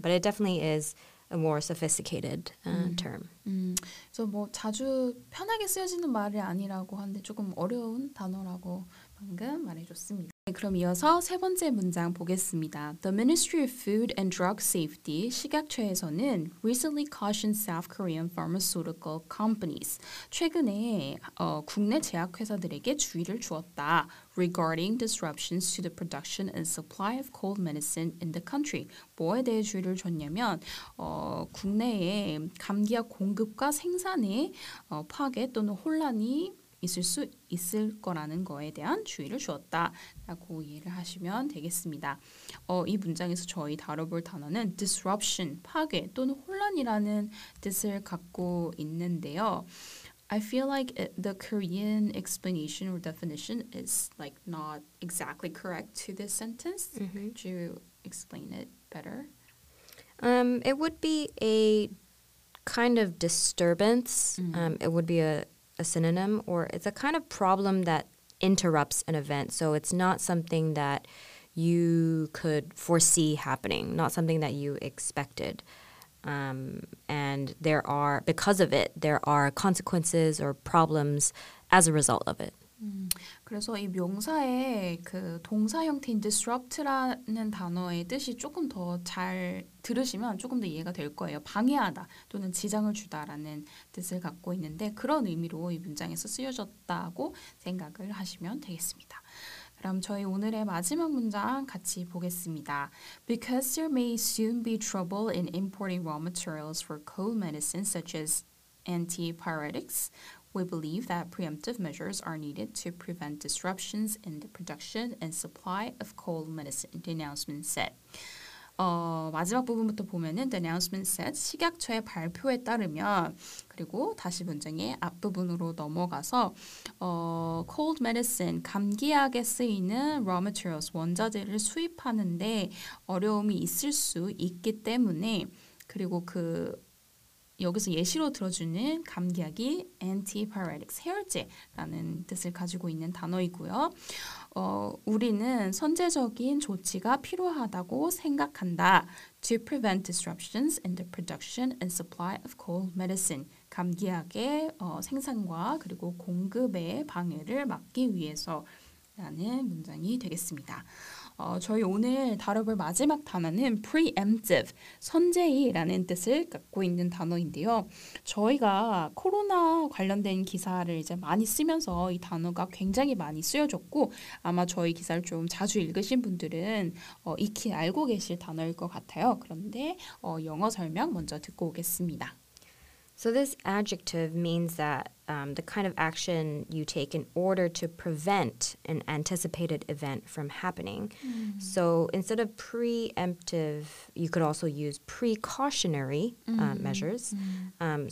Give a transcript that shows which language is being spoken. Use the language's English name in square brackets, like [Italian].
[English] But it definitely is a more sophisticated term. [Korean] So 뭐 자주 편하게 쓰여지는 말이 아니라고 하는데 조금 어려운 단어라고 방금 말해줬습니다. 네, 그럼 이어서 세 번째 문장 보겠습니다. [English] The Ministry of Food and Drug Safety, [Korean] 식약처에서는 [English] recently cautioned South Korean pharmaceutical companies, [Korean] 최근에 국내 제약회사들에게 주의를 주었다. [English] Regarding disruptions to the production and supply of cold medicine in the country. [Korean] 뭐에 대해 주의를 줬냐면 국내에 감기약 공급과 생산에 파괴 또는 혼란이 있을 수 있을 거라는 거에 대한 주의를 주었다라고 이해를 하시면 되겠습니다. 이 문장에서 저희 다뤄볼 단어는 disruption, 파괴 또는 혼란이라는 뜻을 갖고 있는데요. [English] I feel like the Korean explanation or definition is like not exactly correct to this sentence. Could you explain it better? It would be a kind of disturbance. It would be a synonym, or it's a kind of problem that interrupts an event. So it's not something that you could foresee happening, not something that you expected. And there are, because of it, there are consequences or problems as a result of it. [Korean] 그래서 이 명사의 그 동사 형태인 disrupt라는 단어의 뜻이 조금 더 잘 들으시면 조금 더 이해가 될 거예요. 방해하다 또는 지장을 주다라는 뜻을 갖고 있는데 그런 의미로 이 문장에서 쓰여졌다고 생각을 하시면 되겠습니다. 그럼 저희 오늘의 마지막 문장 같이 보겠습니다. [English] Because there may soon be trouble in importing raw materials for cold medicines such as antipyretics, we believe that preemptive measures are needed to prevent disruptions in the production and supply of cold medicine, the announcement said. [Korean] 마지막 부분부터 보면은 [English] The announcement said [Korean] 식약처의 발표에 따르면 그리고 다시 문장의 앞부분으로 넘어가서 [English] cold medicine, [Korean] 감기약에 쓰이는 [English] raw materials, [Korean] 원자재를 수입하는데 어려움이 있을 수 있기 때문에 그리고 그 여기서 예시로 들어주는 감기약이 antipyretics, 해열제라는 뜻을 가지고 있는 단어이고요. 우리는 선제적인 조치가 필요하다고 생각한다. [English] To prevent disruptions in the production and supply of cold medicine. [Korean] 감기약의 생산과 그리고 공급에 방해를 막기 위해서라는 문장이 되겠습니다. 저희 오늘 다뤄볼 마지막 단어는 preemptive, 선제의라는 뜻을 갖고 있는 단어인데요. 저희가 코로나 관련된 기사를 이제 많이 쓰면서 이 단어가 굉장히 많이 쓰여졌고 아마 저희 기사를 좀 자주 읽으신 분들은 익히 알고 계실 단어일 것 같아요. 그런데 영어 설명 먼저 듣고 오겠습니다. [English] So this adjective means that the kind of action you take in order to prevent an anticipated event from happening. Mm. So instead of preemptive, you could also use precautionary measures. Mm.